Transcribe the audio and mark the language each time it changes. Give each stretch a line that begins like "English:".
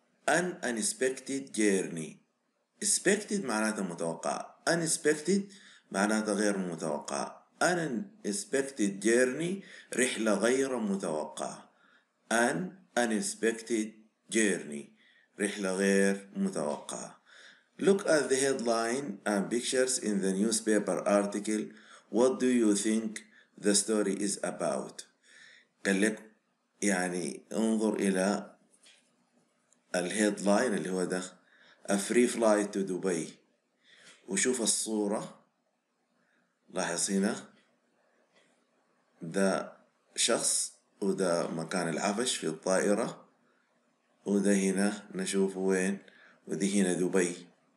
English: an unexpected journey،
Arabic: expected معناته متوقع، unexpected معناته غير متوقع.
English: An unexpected journey،
Arabic: رحلة غير متوقعة.
English: An unexpected journey،
Arabic: رحلة غير متوقعة.
English: Look at the headline and pictures in the newspaper article. What do you think the story is about؟
Arabic: قال لك يعني انظر إلى الهيدلاين اللي هو ده
English: A free flight to Dubai،
Arabic: وشوف الصورة. لاحظ هنا ده شخص وده مكان العفش في الطائرة، وده هنا نشوف وين، وده هنا دبي.